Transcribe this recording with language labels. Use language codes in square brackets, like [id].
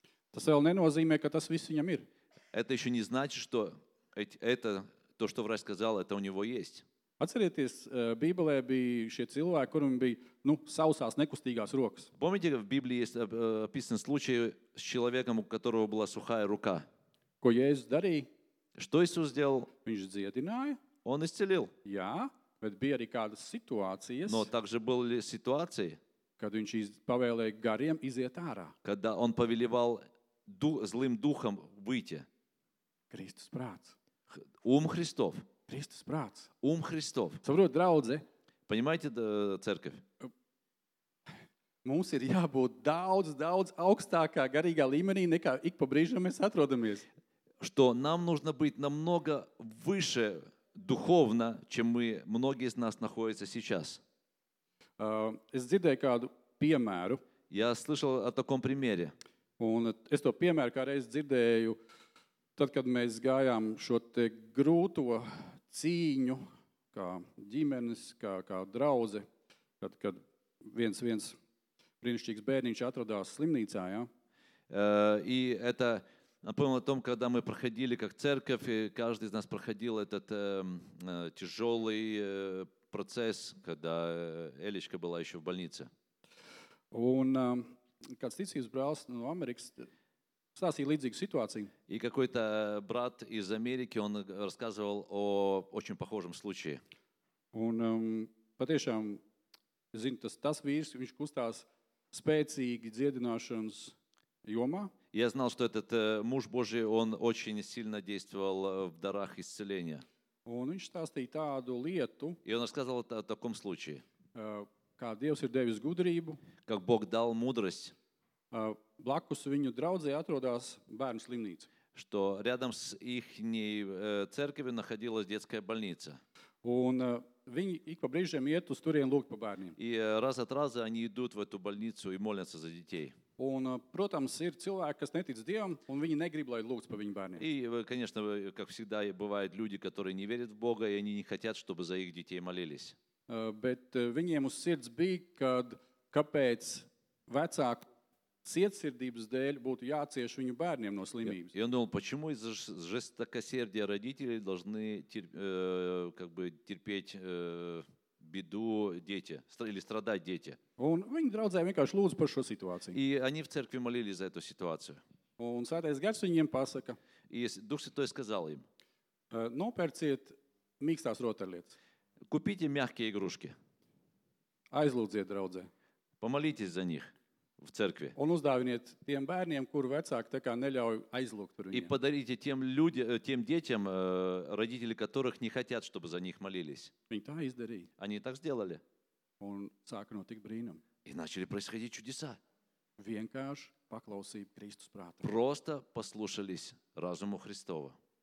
[lv] tas vēl nenozīmē, ka tas viss viņam ir. [ru] Это еще не значит, что это то, что врач сказал, это у него есть. [lv] Atcerieties, Bībelē bija šie cilvēki, kuriem bija, nu, sausās nekustīgās rokas. [ru] Помните, в Библии есть описан случай с человеком, у которого была сухая рука. [lv] Ko Jēzus darīja? [ru] Что Иисус сделал? [lv] Viņš dziedināja. [ru] Он исцелил. [lv] Jā, bet bija arī kādas situācijas. [ru] Но также были ситуации, [lv] kad viņš pavēlēja gariem iziet ārā. [ru] Когда он повелевал злым духом выйти. [lv] Kristus prāts. [ru] Христов. [lv] Kristus prāts. [ru] Христов. [lv] Saprot, draudze? [ru] Понимаете, церковь? [lv] Mums ir jābūt daudz, daudz augstākā garīgā līmenī, nekā ik pa brīžam mēs atrodamies. [ru] Что нам нужно быть намного выше духовно, чем мы, многие из нас находятся сейчас. [lv] Es dzirdēju kādu piemēru. [ru] Я слышал о таком примере. [lv] Un es to piemēru kādreiz dzirdēju, tad, kad mēs gājām šo te grūto cīņu, kā ģimenes, kā drauze, kad viens brīnišķīgs bērniņš atradās slimnīcā, jā. [ru] И это, напомню о том, когда мы проходили как церковь, и каждый из нас проходил этот тяжелый процесс, когда Элечка была еще в больнице. [lv] Un kāds ticības brālis no Amerikas stāstīja līdzīgu situāciju. [ru] И какой-то брат из Америки, он рассказывал о очень похожем случае. [lv] Un patiešām, zinu, tas vīrs, viņš kustās spēcīgi dziedināšanas jomā. [ru] Я знал, что этот муж Божий, он очень сильно действовал в дарах исцеления. [lv] Un viņš stāstīja tādu lietu. [ru] И он рассказывал о таком случае. [lv] Kā Dievs ir devis gudrību. [ru] Как Бог дал мудрость. [lv] Blakus viņu draudzē atrodas bērnu slimnīca. [ru] Что рядом с ихней церковью находилась детская больница. [lv] Un viņi ik pa brīžiem iet uz turien lūgt pa bērniem. [ru] И раз от раза они идут в эту больницу и молятся за детей. [lv] Un, protams, ir cilvēki, kas netic Dievam, un viņi negrib, lai lūgts pa viņu bērniem. [ru] И, конечно, как всегда, бывают люди, которые не верят в Бога, и они не хотят, чтобы за их детей молились. [lv] Bet viņiem uz sirds bija, kad kāpēc vecāku cietsirdības dēļ būtu jācieš viņu bērniem no slimības. [ru] Я думал, почему из жестокосердия родителей должны как бы терпеть беду дети или страдать дети. [lv] Un viņi draudzē vienkārši lūdzu par šo situāciju. [ru] И они в церкви молились за эту ситуацию. [lv] Un Svētais Gars viņiem pasaka. [ru] И Дух Святой сказал им. [lv] Nopērciet mīkstās rotaļlietas. [ru] Купите мягкие игрушки. [lv] Aizlūdziet draudzē. [ru] Помолитесь за них в церкви. [lv] Un uzdāviniet tiem bērniem, kur vecāki tā kā neļauj aizlūgt par viņiem. [ru] И подарите тем детям, родители которых не хотят, чтобы за них молились. [lv] Viņi tā izdarīja. [ru] Они так сделали. [lv] Un sāka notikt brīnum. [ru] И начали происходить чудеса. [lv] Vienkārši paklausība Kristus prātam. [ru] Просто послушались разуму Христова.